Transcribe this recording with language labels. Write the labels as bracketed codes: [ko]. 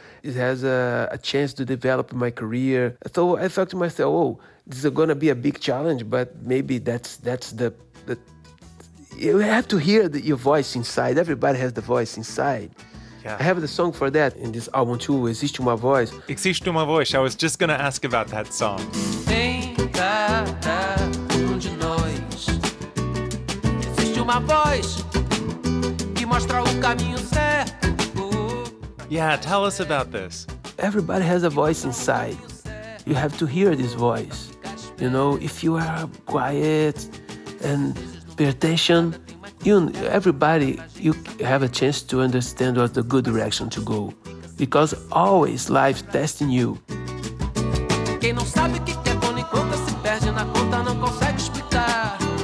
[en] It has a chance to develop my career. So I thought to myself, oh, this is going to be a big challenge, but maybe that's the you have to hear your voice inside. Everybody has the voice inside. Yeah. I have the song for that in this album too, Existe Uma Voz. [pt] Existe Uma Voz. [en] I was just going to ask about that song. [pt] Tem cada um de nós. Existe uma voz que mostra o caminho certo. [en] Yeah, tell us about this. Everybody has a voice inside. You have to hear this voice. You know, if you are quiet and pay attention, you, everybody, you have a chance to understand what the good direction to go. Because always life testing you. [pt] Quem não sabe o que é bom em conta se perde na conta, não consegue explicar.